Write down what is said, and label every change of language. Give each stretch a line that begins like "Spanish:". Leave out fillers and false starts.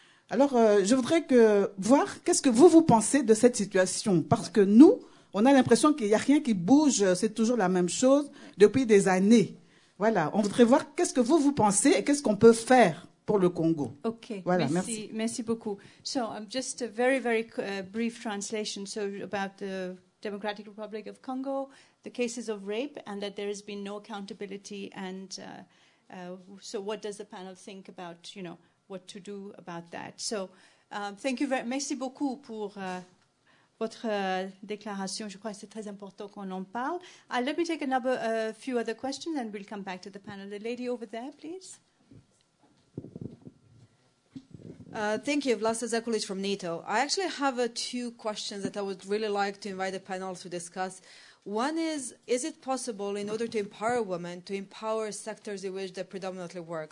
French: Alors, je voudrais voir qu'est-ce que vous pensez de cette situation. Parce que nous... On a l'impression qu'il n'y a rien qui bouge, c'est toujours la même chose depuis des années. Voilà, on voudrait voir qu'est-ce que vous pensez et qu'est-ce qu'on peut faire pour le Congo.
English: Ok,
French: voilà, merci. Merci beaucoup.
English: So, just a very, very brief translation. So, about the Democratic Republic of Congo, the cases of rape and that there has been no accountability. And so, what does the panel think about, you know, what to do about that? So, thank you very,
French: merci beaucoup pour... votre déclaration, je crois que c'est très important qu'on en parle.
English: Let me take a few other questions and we'll come back to the panel. The lady over there, please. Thank you, Vlasta Zekulic from NATO. I actually have two questions that I would really like to invite the panel to discuss. One is it possible in order to empower women to empower sectors in which they predominantly work?